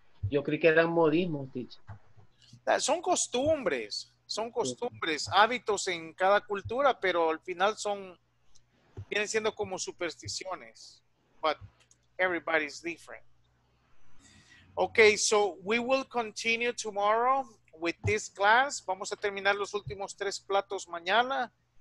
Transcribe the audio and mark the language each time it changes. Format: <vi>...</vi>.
<es>Yo creí que eran modismos, dicho. Son costumbres. Son costumbres, hábitos en cada cultura, pero al final son, vienen siendo como supersticiones.</es> <en>But everybody's different. Okay, so we will continue tomorrow with this class.</en> <es>Vamos a terminar los últimos tres platos mañana.</es>